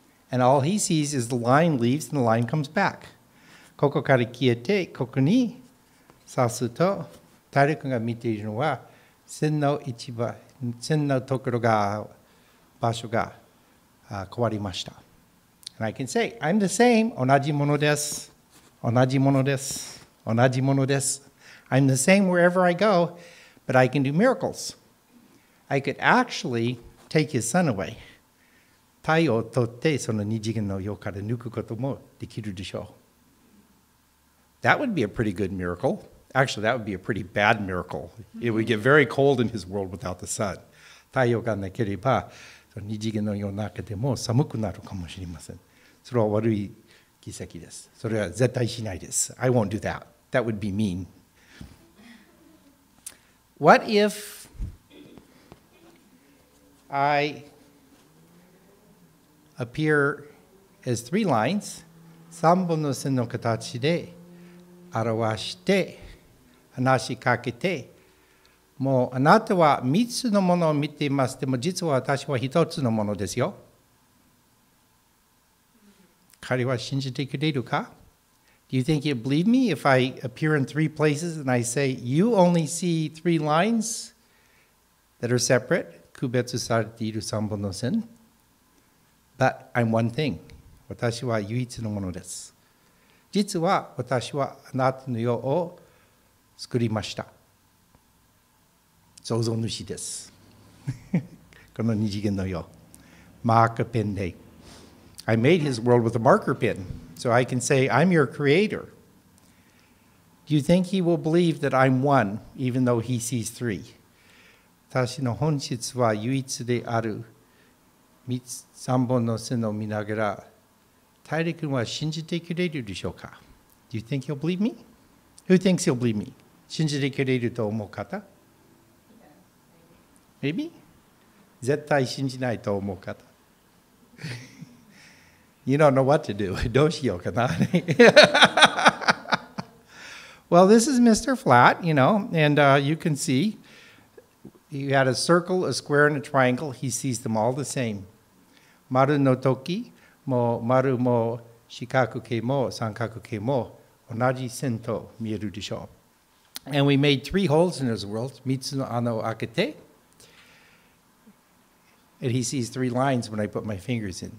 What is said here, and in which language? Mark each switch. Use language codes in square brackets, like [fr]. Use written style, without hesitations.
[en] And all he sees is the line leaves and the line comes back. [ja] ここから消えてここに刺すと、タリクが見ているのは線の一番線のところが場所が変わりました。 [en] And I can say I'm the same. [ja] 同じものです、同じものです、同じものです。 [en] I'm the same wherever I go, but I can do miracles. I could actually take his son away. [ja] 太陽を取ってその二次元の世から抜くこともできるでしょう。 [en] That would be a pretty good miracle. Actually, that would be a pretty bad miracle. It would get very cold in his world without the sun. [ja] 太陽がなければ二次元の世の中でも寒くなるかもしれません。それは悪い奇跡です。それは絶対しないです。 [en] I won't do that. That would be mean. What if I appear as three lines, [ja] 三本の線の形で表して話しかけて、もうあなたは三つのものを見ています、でも実は私は一つのものですよ。彼は信じてくれるか? [en] Do you think you believe me if I appear in three places and I say, you only see three lines that are separate, [ja] 区別されている三本の線? [en] But I'm one thing. [ja] 私は唯一のものです。実は私はあなたの世を作りました。創造主です。この二次元の世。マークペンで。 [en] I made his world with a marker pen, so I can say, I'm your creator. Do you think he will believe that I'm one, even though he sees three? [ja] 私の本質は唯一である三本の線を見ながら、タイリ君は信じてくれるでしょうか? [en] Do you think he'll believe me? Who thinks he'll believe me? [ja] 信じてくれると思う方? [en] Maybe? [ja] 絶対信じないと思う方。 [en] You don't know what to do. [ja] どうしようかな? [en] Well, this is Mr. Flat, you know, and you can see he had a circle, a square, and a triangle. He sees them all the same. [ja] 丸の時も丸も四角形も三角形も同じ線と見えるでしょう。 [en] And we made three holes in his world. [ja] 三つの穴を開けて。 [en] And he sees three lines when I put my fingers in.